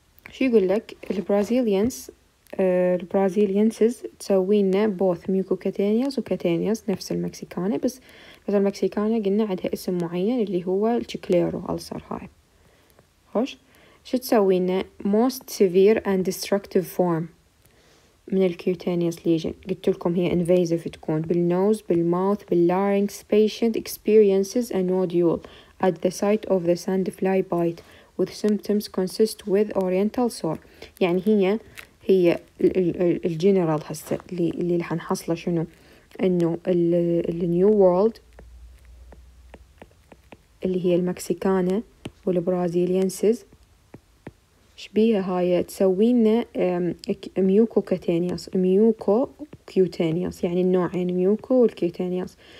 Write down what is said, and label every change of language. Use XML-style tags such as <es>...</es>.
<ar>شو يقول لك البرازيليانز؟ البرازيليانسز تسوينا بوث ميوكو كاتانياز وكاتانياز نفس المكسيكانة، بس مثلا المكسيكانة قلنا عندها اسم معين اللي هو الشكليرو ألسر هاي. خوش شو تسوينا</ar> <en>most severe and destructive form</en> <ar>من الكيوتانياز ليجن، قلت لكم هي انفيزيف تكون بالنوز بالماوث باللارينكس.</ar> <en>patient experiences a nodule at the site of the sand fly bite with symptoms consist with oriental sore.</en> <ar>يعني هي الجنرال هسه اللي رح نحصله شنو، انه النيو وورلد اللي هي المكسيكانة والبرازيليانسز شبيها هاي تسوينا ميوكو كوتانياس، ميوكو كيوتانياس يعني النوعين ميوكو والكيوتانياس.</ar>